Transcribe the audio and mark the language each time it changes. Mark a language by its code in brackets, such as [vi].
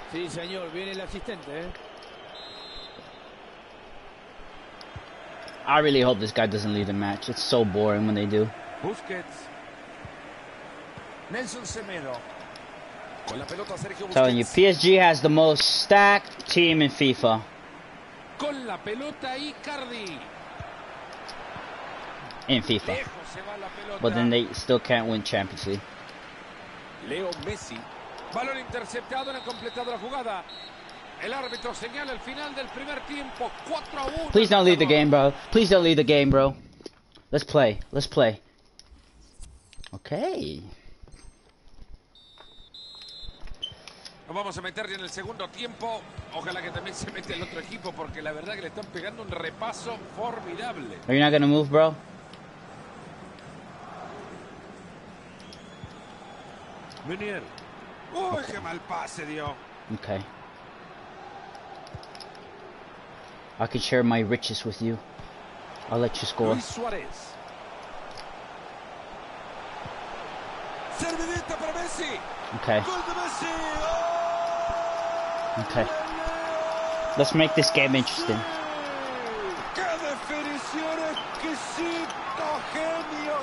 [es] Sí, señor, viene el asistente, [en] I really hope this guy doesn't leave the match. It's so boring when they do. [es] Busquets. Nelson Semedo. Con la pelota Sergio Busquets. [en] Telling you, PSG has the most stacked team in FIFA. [es] Con la pelota Icardi. [en] In FIFA. But then they still can't win Champions League. Leo Messi. [es] Balón interceptado, no ha completado la jugada. El árbitro señala el final del primer tiempo. 4-1. [en] Please don't leave the game, bro. Please don't leave the game, bro. Let's play. Let's play. Okay. [es] Vamos a meter en el segundo tiempo. Ojalá que también se mete el otro equipo porque la verdad que le están pegando un repaso formidable. [en] Are you not gonna move, bro? [es] Meunier. Uy, okay. Qué mal pase dio. [en] Okay. I could share my riches with you. I'll let you score. Luis Suárez. [es] servidita para Messi. [en] Okay. [es] Gol de Messi. [en] Okay. Let's make this game interesting. [es] Qué definición exquisita, genio.